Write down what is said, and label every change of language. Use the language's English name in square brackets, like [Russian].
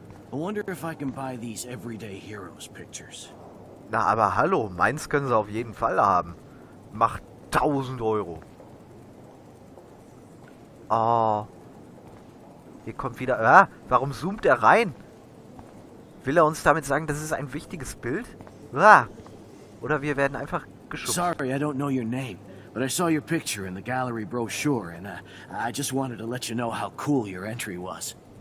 [English] I wonder if I can buy these everyday heroes pictures. [German] Na, aber hallo, meins können sie auf jeden Fall haben. Macht 1000 Euro. Oh. Hier kommt wieder... Ah, warum zoomt er rein? Will er uns damit sagen, das ist ein wichtiges Bild? Ah. Oder wir werden einfach geschubst. [English] Sorry, I don't know your name. But I saw your picture in the gallery brochure and I just wanted to let you know how cool your entry was.